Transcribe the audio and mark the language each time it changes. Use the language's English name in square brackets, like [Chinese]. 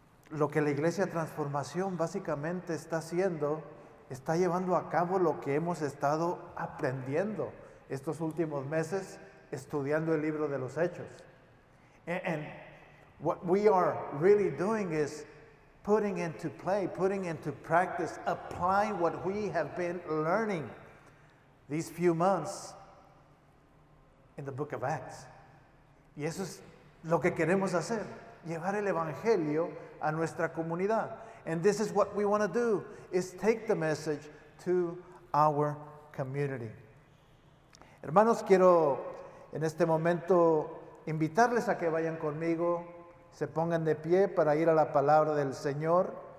[Spanish] Lo que la Iglesia Transformación básicamente está haciendo, está llevando a cabo lo que hemos estado aprendiendo estos últimos meses estudiando el libro de los Hechos. [English] And what we are really doing is putting into play, putting into practice, applying what we have been learning these few months in the book of Acts. [Spanish] Y eso es lo que queremos hacer, llevar el evangelio a nuestra comunidad. [English] And this is what we want to do, is take the message to our community. [Spanish] Hermanos, quiero en este momento invitarles a que vayan conmigo. Se pongan de pie para ir a la palabra del Señor.